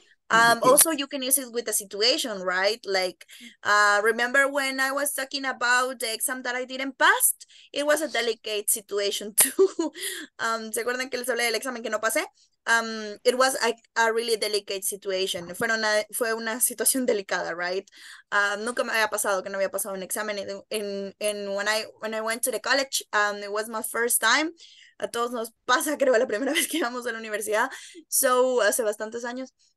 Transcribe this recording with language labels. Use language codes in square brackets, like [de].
[en] Also, you can use it with a situation, right? Like, remember when I was talking about the exam that I didn't pass? It was a delicate situation too. [es] ¿Se acuerdan que les hablé del examen que no pasé? [en] It was a really delicate situation. [es] Fue una situación delicada, right? Nunca me había pasado que no había pasado un examen. [en] When I went to the college, it was my first time. [es] A todos nos pasa, creo, la primera vez que vamos a la universidad. So, hace bastantes años.